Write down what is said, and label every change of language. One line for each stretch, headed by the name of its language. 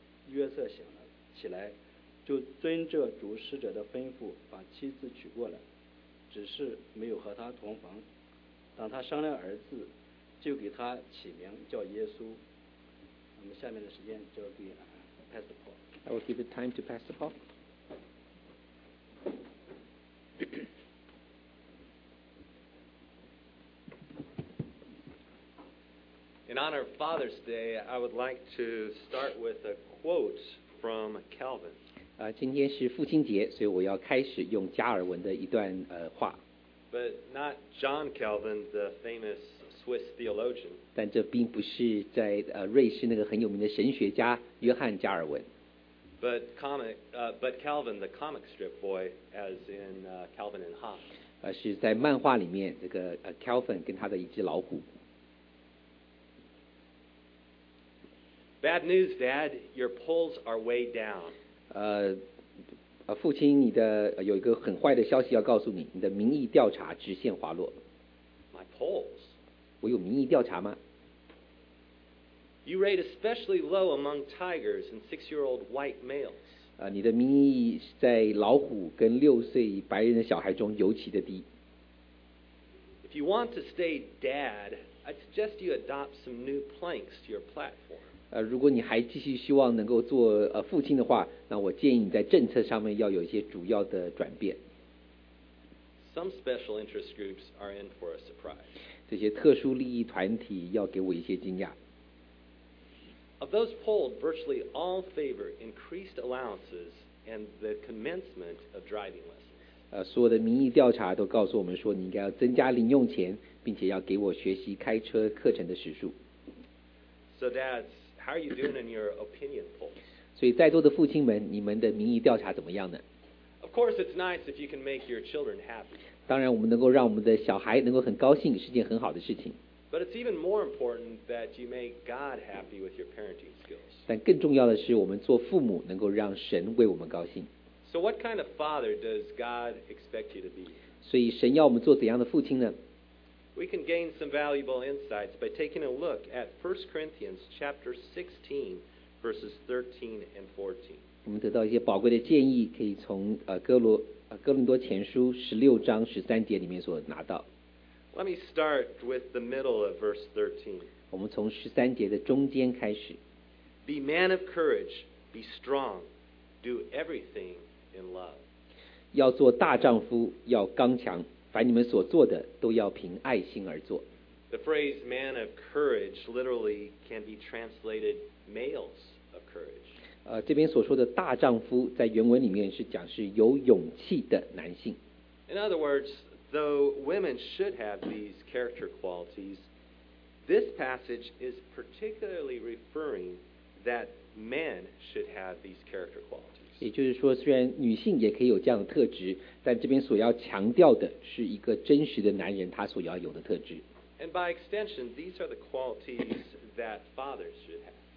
Chinese: 约瑟醒了起来，就遵着主使者的吩咐把妻子娶过来，只是没有和他同房。当他生了儿子，就给他起名叫耶稣。我们下面的时间交给 Pastor Paul。
English: I will give the time to Pastor Paul. In honor of Father's Day, I would like to start with a quote from Calvin.
Chinese: 今天是父亲节，所以我要开始用加尔文的一段话。
English: But not John Calvin, the famous Swiss theologian.
Chinese: 但这并不是在瑞士那个很有名的神学家约翰加尔文。
English: But Calvin, the comic strip boy, as in Calvin and Hobbes.
Chinese: 是在漫画里面这个Calvin 跟他的一只老虎。
English: Bad news, Dad. Your polls are way down.
Chinese: 父亲，你的有一个很坏的消息要告诉你，你的民意调查直线滑落。
English: My polls.
Chinese: 我有民意调查吗
English: ？You rate especially low among tigers and six-year-old white males.
Chinese: 你的民意在老虎跟六岁白人的小孩中尤其的低。
English: If you want to stay Dad, I'd suggest you adopt some new planks to your platform.
Chinese: 如果你还继续希望能够做父亲的话，那我建议你在政策上面要有一些主要的转变。
English: Some special interest groups are in for a surprise.
Chinese: 这些特殊利益团体要给我一些惊讶。
English: Of those polled, virtually all favor increased allowances and the commencement of driving lessons.
Chinese: 所有的民意调查都告诉我们说，你应该要增加零用钱，并且要给我学习开车课程的时数。
English: So that's. How are you doing in your opinion poll?
Chinese: 所以在座的父亲们，你们的民意调查怎么样呢
English: ？Of course, it's nice if you can make your children happy.
Chinese: 当然，我们能够让我们的小孩能够很高兴，是件很好的事情。
English: But it's even more important that you make God happy with your parenting skills.
Chinese: 但更重要的是，我们做父母能够让神为我们高兴。
English: So what kind of father does God expect you to be?
Chinese: 所以神要我们做怎样的父亲呢？
English: We can gain some valuable insights by taking a look at 1 Corinthians chapter 16, verses 13 and 14.
Chinese: 我们得到一些宝贵的建议，可以从哥林多前书十六章十三节里面所拿到。
English: Let me start with the middle of verse 13.
Chinese: 我们从十三节的中间开始。
English: Be man of courage, be strong, do everything in love.
Chinese: 要做大丈夫，要刚强。凡你们所做的都要凭爱心而做。
English: The phrase man of courage literally can be translated males of
Chinese: 这边所说的大丈夫在原文里面是讲是有勇气的男性。
English: In other words, though women should have these character qualities, this passage is particularly referring that men should have these character qualities.
Chinese: 也就是说，虽然女性也可以有这样的特质，但这边所要强调的是一个真实的男人他所要有的特质。
English: And by extension, these are the qualities that fathers should have.